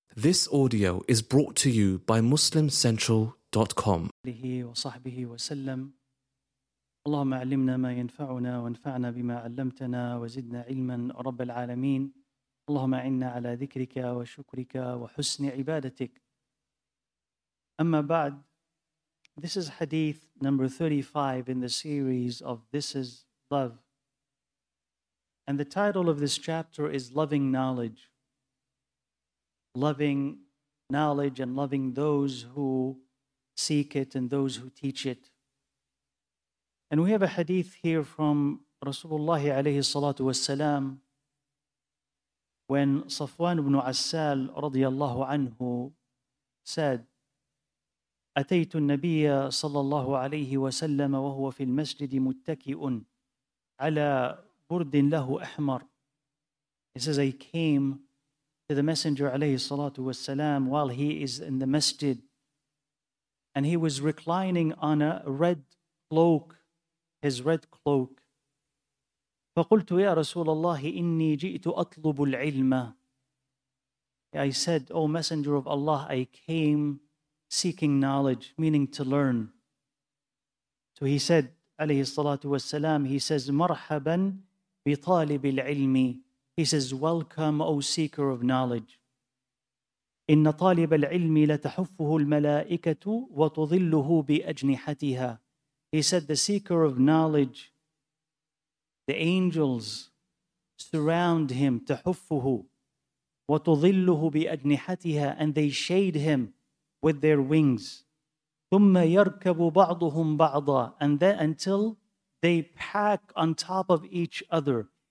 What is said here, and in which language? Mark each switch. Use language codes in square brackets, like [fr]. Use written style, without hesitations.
[en] This audio is brought to you by MuslimCentral.com. [ar] اللهم علمنا ما ينفعنا وانفعنا بما علمتنا وزدنا علما رب العالمين اللهم عنا على ذكرك وشكرك وحسن عبادتك أما بعد. [en] This is hadith number 35 in the series of This is Love. And the title of this chapter is Loving Knowledge. Loving knowledge and loving those who seek it and those who teach it. And we have a hadith here from Rasulullah alayhi salatu wasalam, when Safwan ibn Assal radiyallahu anhu said, [ar] أتيت النبي صلى الله عليه وسلم وهو في المسجد متكئ على برد له أحمر. [en] He says, I came to the Messenger alayhi salatu wasalam while he is in the masjid, and he was reclining on a red cloak, his red cloak. [ar] فقلت يا رسول الله إني جئت أطلب العلم. [en] I said, O Messenger of Allah, I came seeking knowledge, meaning to learn. So he said, عليه الصلاة والسلام, he says, [ar] مرحبا بطالب العلم. [en] He says, welcome, O seeker of knowledge. [ar] إن طالب العلم لتحفه الملائكة وتظله بأجنحتها. [en] He said, the seeker of knowledge, the angels surround him, [ar] تحفه وتظله بأجنحتها, [en] and they shade him with their wings. [ar] ثم يركب بعضهم بعضا, [en] and then until they pack on top of each other.